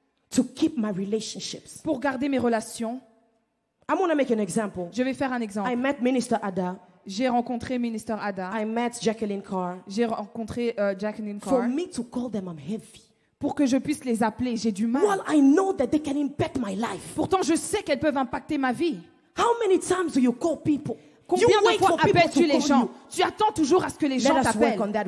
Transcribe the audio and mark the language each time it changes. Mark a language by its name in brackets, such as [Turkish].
[English] To keep my relationships. [French] Pour garder mes relations. [English] I'm gonna make an example. [French] Je vais faire un exemple. [English] I met Minister Ada. [French] J'ai rencontré Minister Ada. [English] I met Jacqueline Carr. [French] J'ai rencontré Jacqueline Carr. [English] For me to call them, I'm heavy. [French] Pour que je puisse les appeler, j'ai du mal. [English] Well, I know that they can impact my life. [French] Pourtant, je sais qu'elles peuvent impacter ma vie. [English] How many times do you call people? [French] Combien de fois appelles-tu les gens? Tu attends toujours à ce que les gens t'appellent.